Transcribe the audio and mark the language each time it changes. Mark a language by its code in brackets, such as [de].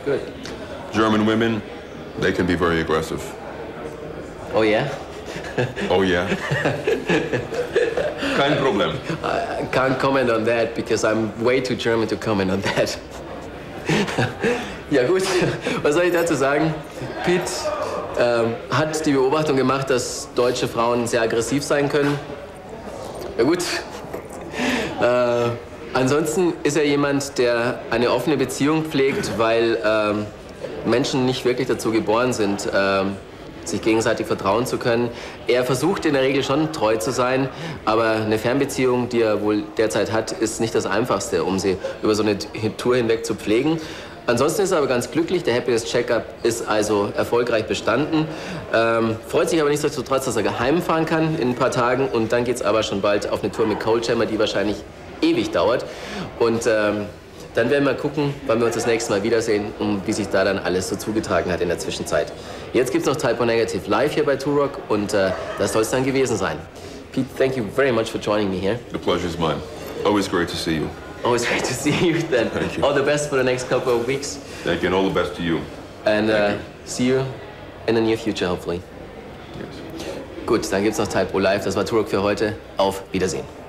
[en] good. German women, they can be very aggressive. Oh, yeah? Oh, yeah. [de] Kein Problem. [en] I can't comment on that because I'm way too German to comment on that. [de] Ja, gut. Was soll ich dazu sagen? Pete hat die Beobachtung gemacht, dass deutsche Frauen sehr aggressiv sein können. Ja, gut. Ansonsten ist er jemand, der eine offene Beziehung pflegt, weil Menschen nicht wirklich dazu geboren sind, sich gegenseitig vertrauen zu können. Er versucht in der Regel schon treu zu sein, aber eine Fernbeziehung, die er wohl derzeit hat, ist nicht das Einfachste, um sie über so eine Tour hinweg zu pflegen. Ansonsten ist er aber ganz glücklich, der Happiness Checkup ist also erfolgreich bestanden. Freut sich aber nichtsdestotrotz, dass er geheim fahren kann in ein paar Tagen. Und dann geht's aber schon bald auf eine Tour mit Coldchamber, die wahrscheinlich ewig dauert. Und dann werden wir gucken, wann wir uns das nächste Mal wiedersehen und wie sich da dann alles so zugetragen hat in der Zwischenzeit. Jetzt gibt's noch Type O Negative live hier bei 2Rock und das soll's dann gewesen sein. [en] Pete, thank you very much for joining me here. The pleasure is mine. Always great to see you. Always great to see you then. Thank you. All the best for the next couple of weeks. Thank you, and all the best to you. And see you in the near future, hopefully. Yes. [de] Gut, dann gibt's noch Type O Live. Das war 2Rock für heute. Auf Wiedersehen.